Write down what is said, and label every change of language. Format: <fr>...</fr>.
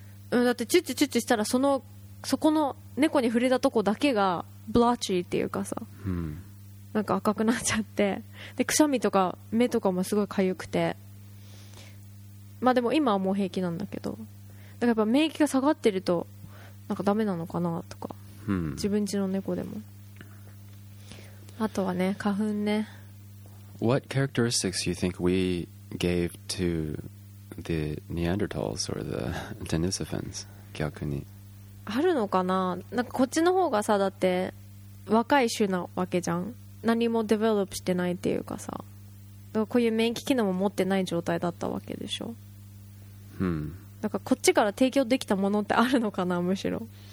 <ja>うん、だってチュッチュチュッチュしたら、そのそこの猫に触れたとこだけがブラッチーっていうかさ、なんか赤くなっちゃって、でくしゃみとか目とかもすごい痒くて、まあでも今はもう平気なんだけど、だからやっぱ免疫が下がってるとなんかダメなのかなとか、自分家の猫でも。あとはね、花粉ね。</ja> <en>What characteristics do you think we gave to the Neanderthals or the Denisovans?</en> <ja>逆にあるのかな。なんかこっちの方がさ、だって若い種なわけじゃん。何もデベロップしてないっていうかさ、だからこういう免疫機能も持ってない状態だったわけでしょ。うん、だからこっちから提供できたものってあるのかな、むしろ。</ja>